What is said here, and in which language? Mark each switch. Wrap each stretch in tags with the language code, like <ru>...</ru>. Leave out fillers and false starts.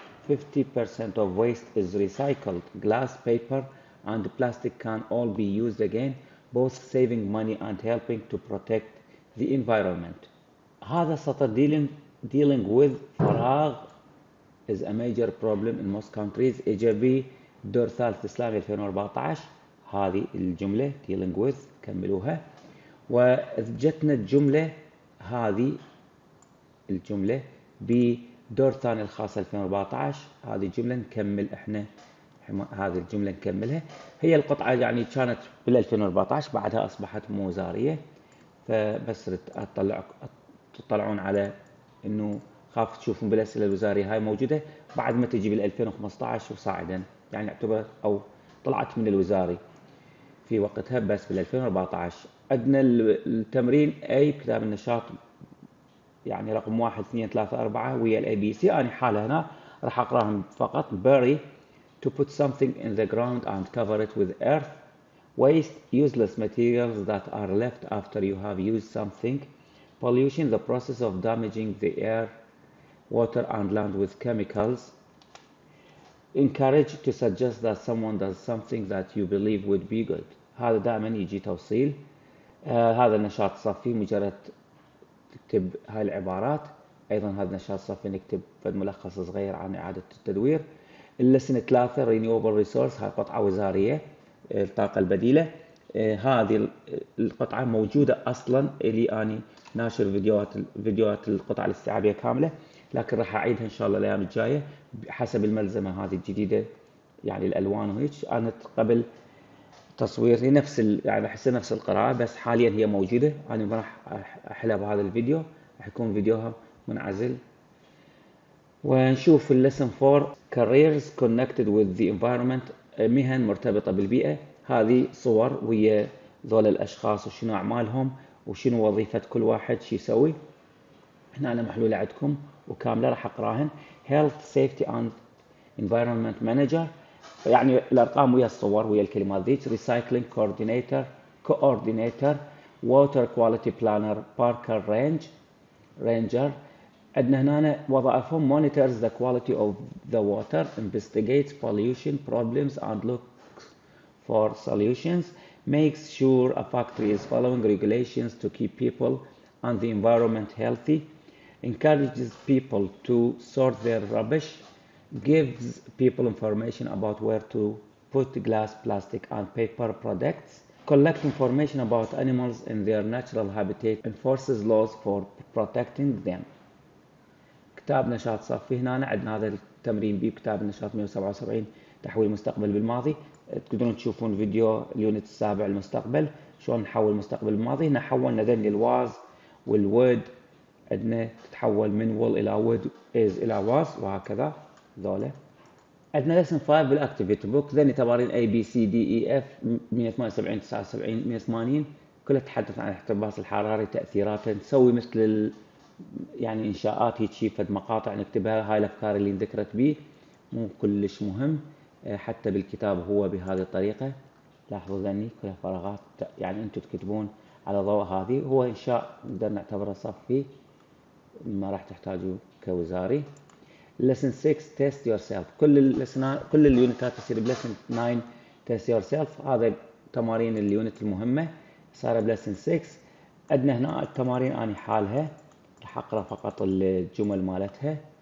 <en>50% of waste is recycled. Glass, paper, and plastic can all be used again, both saving money and helping to protect the environment.</en> <ar>هذا سطر</ar> <en>dealing with فراغ is a major problem in most countries.</en> <ar>إيجابي دور ثالث إسلامي 2014. هذه الجملة dealing with كملوها. وجتنا الجملة هذه الجملة بدور ثاني الخاص 2014. هذه الجملة نكمل إحنا هذه الجملة نكملها. هي القطعة يعني كانت بال 2014 بعدها أصبحت موزارية. فبس تطلعون على إنه خاف تشوفون بالأسئلة الوزارية هاي موجودة بعد ما تجي بال 2015 وصاعدا يعني اعتبر أو طلعت من الوزاري في وقتها بس بال 2014. عندنا التمرين أي بكتاب النشاط يعني رقم 1 2 3 4 ويا الـ ABC أنا حالة هنا راح أقرأهم فقط.</ar> <en>bury to put something in the ground and cover it with earth. waste useless materials that are left after you have used something. pollution the process of damaging the air, water and land with chemicals. encourage to suggest that someone does something that you believe would be good.</en> <ar>هذا دائما يجي توصيل. هذا النشاط صفي مجرد تكتب هاي العبارات. ايضا هذا النشاط صفي نكتب فد ملخص صغير عن اعادة التدوير. اللسن ثلاثة renewable resource هاي قطعة وزارية الطاقة البديلة. هذه القطعة موجودة اصلا اللي اني ناشر فيديوهات القطعة الاستيعابية كاملة لكن راح اعيدها ان شاء الله الايام الجاية حسب الملزمة هذه الجديدة يعني الالوان وهيك. انا قبل تصوير نفس يعني احس نفس القراءة بس حاليا هي موجودة. انا ما راح احلها بهذا الفيديو راح يكون فيديوها منعزل. ونشوف اللسن 4</ar> <en>careers connected with the environment</en> <ar>مهن مرتبطة بالبيئة. هذه صور ويا ذول الاشخاص وشنو اعمالهم وشنو وظيفة كل واحد شو يسوي. هنا انا محلولة عندكم وكاملة راح اقراهن.</ar> <en>health safety and environment manager</en> <ar>يعني الارقام ويا الصور ويا الكلمات ذيك.</ar> <en>recycling coordinator coordinator water quality planner parker range ranger. عندنا هنا وظائفهم monitors the quality of the water, investigates pollution problems and looks for solutions, makes sure a factory is following regulations to keep people and the environment healthy, encourages people to sort their rubbish, gives people information about where to put glass, plastic and paper products, collects information about animals in their natural habitat, enforces laws for protecting them.</en> <ar>كتاب نشاط صفي هنا عندنا هذا التمرين بي كتاب النشاط 177 تحويل مستقبل بالماضي. تقدرون تشوفون فيديو اليونت السابع المستقبل شلون نحول مستقبل الماضي. هنا حولنا ذن الواز والود عندنا تتحول من will الى would is الى was وهكذا ذولا. عندنا lesson 5 بالactivity book ذني تمارين A B C D E F 178 79 180 كلها تحدث عن احتباس الحراري تأثيراته. نسوي مثل يعني إنشاءات هيجي فد مقاطع نكتبها هاي الأفكار اللي انذكرت بيه مو كلش مهم حتى بالكتاب هو بهذه الطريقة. لاحظوا ذني كلها فراغات يعني أنتوا تكتبون على ضوء هذه هو إنشاء نقدر نعتبره صفي ما راح تحتاجوا كوزاري.</ar> <en>lesson 6 test yourself</en> <ar>كل اليونتات تصير</ar> <en>بlesson 9 test yourself.</en> <ar>هذا تمارين اليونت المهمة صار بlesson 6. عندنا هنا التمارين أنا حالها راح أقرأ فقط الجمل مالتها.</ar>